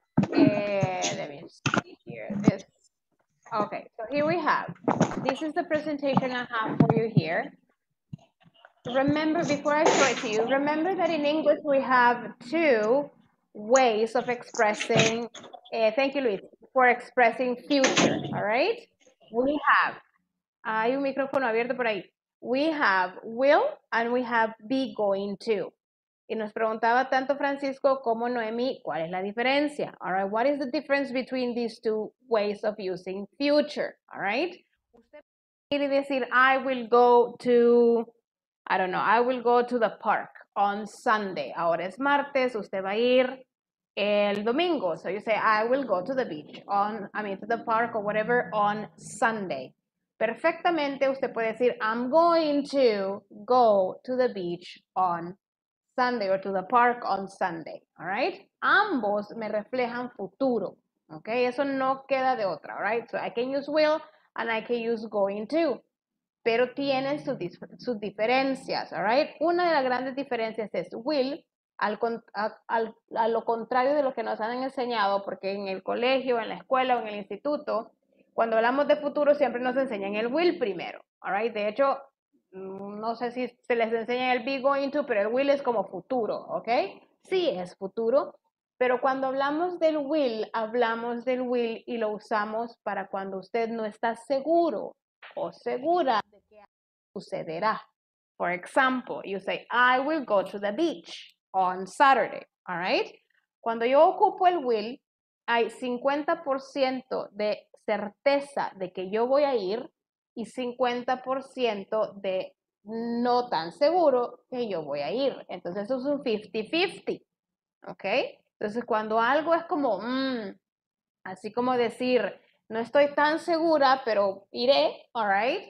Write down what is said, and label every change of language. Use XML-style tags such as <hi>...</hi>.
<en>Let me see here. This. Okay, so here we have. This is the presentation I have for you here. Remember, before I show it to you, remember that in English we have two ways of expressing, thank you, Luis, for expressing future, all right? We have,</en> <es>hay un micrófono abierto por ahí.</es> <en>We have will and we have be going to.</en> <es>Y nos preguntaba tanto Francisco como Noemi, ¿cuál es la diferencia?</es> <en>All right, what is the difference between these two ways of using future, all right?</en> <es>Usted quiere decir,</es> <en>I will go to, I don't know, I will go to the park on Sunday.</en> <es>Ahora es martes, usted va a ir el domingo.</es> <en>So you say, I will go to the beach on, I mean, to the park or whatever on Sunday.</en> <es>Perfectamente usted puede decir,</es> <en>I'm going to go to the beach on Sunday or to the park on Sunday, all right?</en> <es>Ambos me reflejan futuro, okay? Eso no queda de otra,</es> <en>all right? So I can use will and I can use going to,</en> <es>pero tienen sus diferencias,</es> <en>all right?</en> <es>Una de las grandes diferencias es will, a lo contrario de lo que nos han enseñado, porque en el colegio, en la escuela o en el instituto, cuando hablamos de futuro siempre nos enseñan el will primero,</es> <en>all right?</en> <es>De hecho, no sé si se les enseña el be going to, pero el will es como futuro, ¿ok? Sí, es futuro, pero cuando hablamos del will y lo usamos para cuando usted no está seguro o segura de que sucederá.</es> <en>For example, you say, I will go to the beach on Saturday, all right?</en> <es>Cuando yo ocupo el will, hay 50% de certeza de que yo voy a ir y 50% de no tan seguro que yo voy a ir. Entonces, eso es un 50-50, ¿ok? Entonces, cuando algo es como, así como decir, no estoy tan segura, pero iré,</es> <en>all right?</en>